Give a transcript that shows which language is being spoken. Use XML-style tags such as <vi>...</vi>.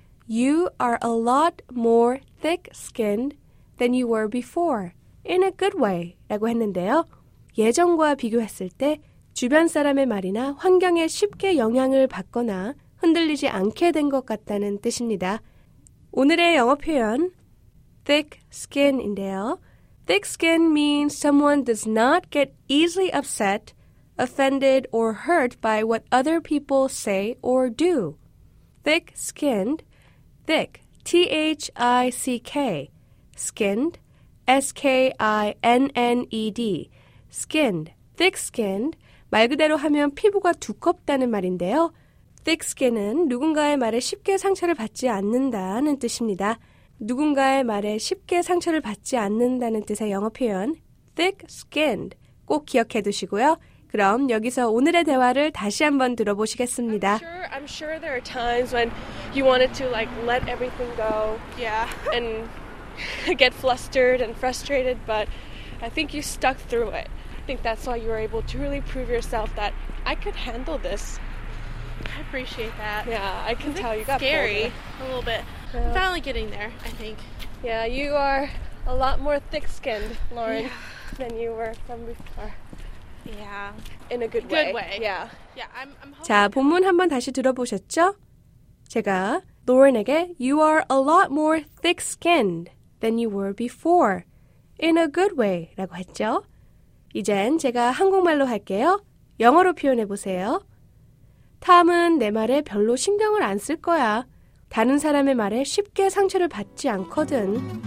<en>You are a lot more thick-skinned than you were before. In a good way.</en> <ko>라고 했는데요. 예전과 비교했을 때 주변 사람의 말이나 환경에 쉽게 영향을 받거나 흔들리지 않게 된 것 같다는 뜻입니다. 오늘의 영어 표현 thick-skin인데요.</ko> <en>Thick-skin means someone does not get easily upset, offended, or hurt by what other people say or do. Thick-skinned, thick, T-H-I-C-K, skinned, S-K-I-N-N-E-D, skinned, thick-skinned,</en> <ko>말 그대로 하면 피부가 두껍다는 말인데요. Thick-skin은 누군가의 말에 쉽게 상처를 받지 않는다는 뜻입니다. 누군가의 말에 쉽게 상처를 받지 않는다는 뜻의 영어 표현, thick-skinned, 꼭 기억해 두시고요. 그럼 여기서 오늘의 대화를 다시 한번 들어보시겠습니다.</ko> <en>I'm sure there are times when you wanted to like let everything go. Yeah. And get flustered and frustrated, but I think you stuck through it. I think that's why you were able to really prove yourself that I could handle this. I appreciate that. Yeah, I can tell you got scary bolder. A little bit. Yeah. I'm finally getting there, I think. Yeah, you are a lot more thick-skinned, Lauren, yeah. than you were from before. Yeah. In a good way. Good way. Yeah. Yeah, I'm hoping.</en> <ko>자, 본문 한번 다시 들어보셨죠? 제가 로렌에게</ko> <en>You are a lot more thick-skinned than you were before. In a good way.</en> <ko>라고 했죠? 이젠 제가 한국말로 할게요. 영어로 표현해 보세요. 탐은 내 말에 별로 신경을 안 쓸 거야. 다른 사람의 말에 쉽게 상처를 받지 않거든.</ko>